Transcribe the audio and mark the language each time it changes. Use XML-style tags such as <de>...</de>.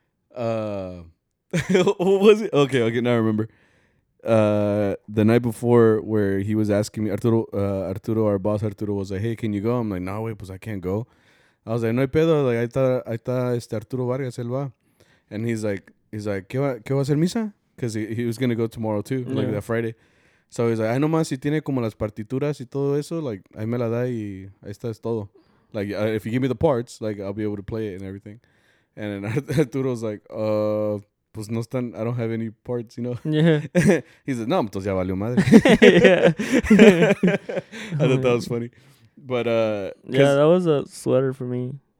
<en>what was it? Okay, now I remember. The night before where he was asking me, Arturo, our boss Arturo, was like, hey, can you go? I'm like, nah, wait, pues I can't go. I was like,</en> <es>no hay pedo. Like, ahí está este Arturo Vargas, él va.</es> <en>And he's like,</en> <es>¿qué va a hacer misa?</es> <en>Because he was going to go tomorrow too, yeah. Like that Friday. So he's like,</en> <es>ay, nomás si tiene como las partituras y todo eso, like, ahí me la da y ahí está, es todo.</es> <en>Like, if you give me the parts, like, I'll be able to play it and everything. And then Arturo's like,</en> <es>pues no están,</es> <en>I don't have any parts, you know? Yeah. He's like,</en> <es>no, entonces ya valió madre.</es> <en>Yeah. I thought that was funny. But yeah, that was a sweater for me.</en>